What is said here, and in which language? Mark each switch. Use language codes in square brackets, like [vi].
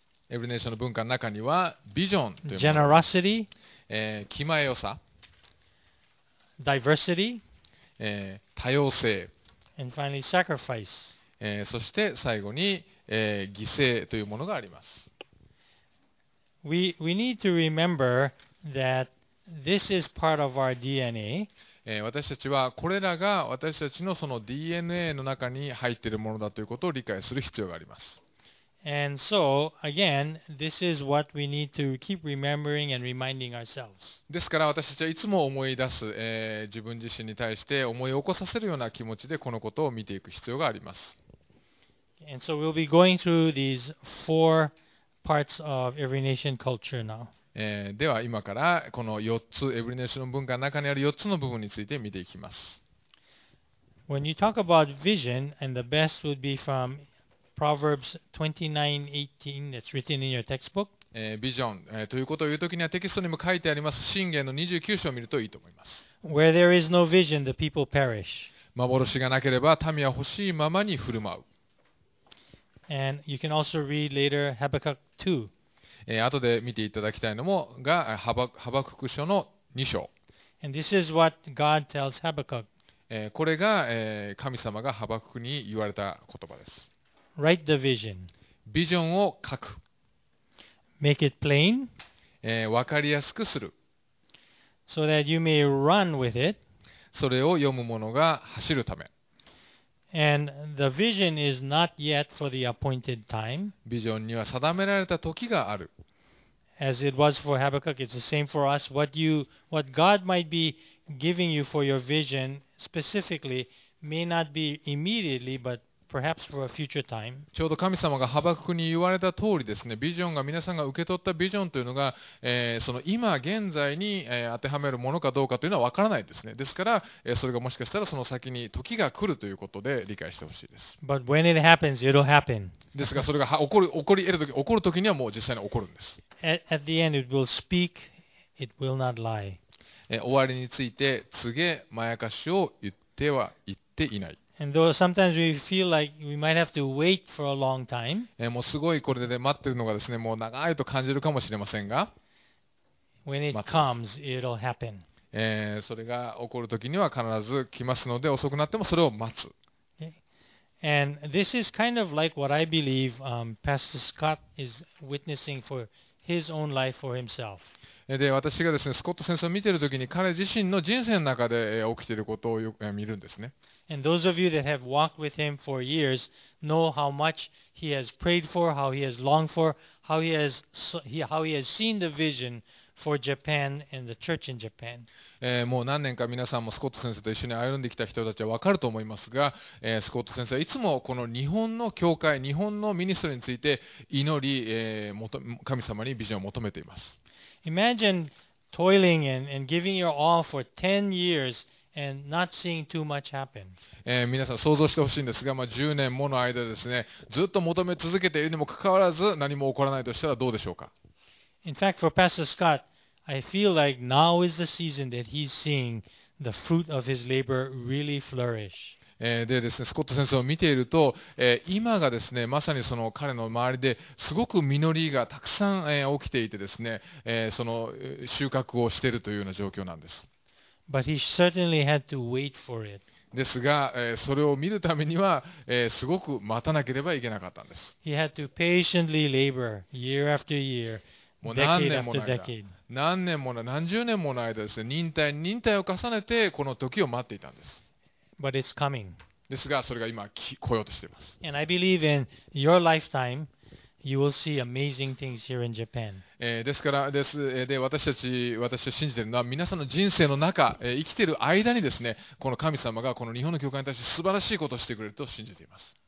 [ja] エブリネーションの文化の中にはビジョンというもの、 [en] Generosity、 [ja] 気前良さ、 [en] Diversity、 [ja] 多様性、 [en] And finally, sacrifice. [ja] そして最後に、犠牲というものがあります。 [en] we need to remember that this is part of our DNA. [ja] 私たちはこれらが私たちのその DNA の中に入っているものだということを理解する必要があります。 [en] And so, again, this is what we need to keep remembering and reminding ourselves. [ja] ですから私たちはいつも思い出す、自分自身に対して思い起こさせるような気持ちでこのことを見ていく必要があります。 [en] And so we'll be going through these four parts of Every Nation Culture now. [ja] では今からこの4つ、Every Nation の文化の中にある4つの部分について見ていきます。 [en] When you talk about vision, and the best would be from... Proverbs 29:18 that's written in your textbook. [ja] ビジョン、ということを言うときにはテキストにも書いてあります。箴言の29章を見るといいと思います。 [en] Where there is no vision, the people perish. [ja] 幻がなければ民は欲しいままに振る舞う。 [en] And you can also read later Habakkuk 2. [ja] 後で見ていただきたいのもがハバクク書の2章。 [en] And this is what God tells Habakkuk. [ja] これが、神様がハバククに言われた言葉です。 [en] Write the vision. [ja] ビジョンを書く。 [en] Make it plain. [ja] わかりやすくする。 [en] So that you may run with it. [ja] それを読む者が走るため。 [en] And the vision is not yet for the appointed time. [ja] ビジョンには定められた時がある。 [en] As it was for Habakkuk, it's the same for us. What God might be giving you for your vision specifically may not be immediately, butPerhaps for a future time. [ja] ちょうど神様がハバククに言われた通りですね、ビジョンが皆さんが受け取ったビジョンというのが、その今現在に、当てはめるものかどうかというのは分からないですね。ですから、それがもしかしたらその先に時が来るということで理解してほしいです。 [en] But when it happens, it'll happen. [ja] ですが、それが起こる時にはもう実際に起こるんです。 [en] At the end, it will speak, it will not lie. [ja] 終わりについて告げ、まやかしを言っては言っていない。 [en] And though sometimes we feel like we might have to wait for a long time, [ja] もうすごいこれで待ってるのがですね、もう長いと感じるかもしれませんが、 [en] When it comes, it'll happen. [ja] それが起こるときには必ず来ますので、遅くなってもそれを待つ。 [en] And this is kind of like what I believe, Pastor Scott is witnessing for his own life for himself. [ja] で私がですね、スコット先生を見ているときに彼自身の人生の中で起きていることをよく見るんですね。 [en] And those of you that have walked with him for years know how much he has prayed for, how he has longed for, how he has seen the vision for Japan and the church in Japan. [ja] もう何年か皆さんもスコット先生と一緒に歩んできた人たちは分かると思いますが、スコット先生はいつもこの日本の教会、日本のミニストリーについて祈り、神様にビジョンを求めています。 [en] Imagine toiling and giving your all for 10 years and not seeing too much happen. [ja] 皆さん想像してほしいんですが、まあ、10年もの間ですね、ずっと求め続けているにもかかわらず何も起こらないとしたらどうでしょうか。 [en] In fact, for Pastor Scott, I feel like now is the season that he's seeing the fruit of his labor really flourish. [ja] でですね、スコット先生を見ていると、今がですね、まさにその彼の周りですごく実りがたくさん、起きていてですね、その収穫をしているというような状況なんです。 [en] But he certainly had to wait for it. [ja] ですが、それを見るためには、すごく待たなければいけなかったんです。 [en] He had to patiently labor year after year [ja] もう何年もの間、何年もの何十年もの間ですね、忍耐を重ねてこの時を待っていたんです。 [en] But it's coming. [ja] ですが、それが今来ようとしています。 [en] And I believe in your lifetime, you will see amazing things here in Japan. [ja] ですからです、で私たち信じているのは、皆さんの人生の中、生きている間にですね、この神様がこの日本の教会に対して素晴らしいことをしてくれると信じています。